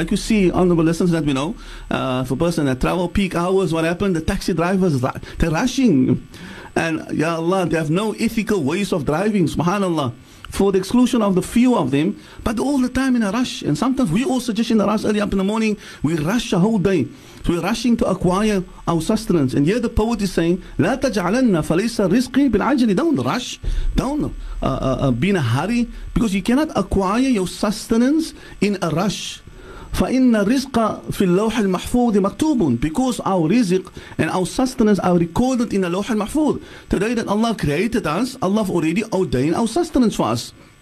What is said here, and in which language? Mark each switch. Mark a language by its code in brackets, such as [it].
[en] Like you see, honorable listeners, that we know, if a person that travel peak hours, what happened? The taxi drivers, they're rushing. And ya Allah, they have no ethical ways of driving, subhanallah, for the exclusion of the few of them, but all the time in a rush. And sometimes we also just in a rush early up in the morning, we rush a whole day. So we're rushing to acquire our sustenance. And here the poet is saying, [ar] لا تجعلن فليس رزقي بالعجل. [en] Don't rush. Don't be in a hurry. Because you cannot acquire your sustenance in a rush. [ar] فَإِنَّ الرِّزْقَ فِي اللَّوْحِ الْمَحْفُوظِ مَكْتُوبٌ. [en] Because our rizq and our sustenance are recorded in the lawh al-mahfuz. Today that Allah created us, Allah already ordained our sustenance for us.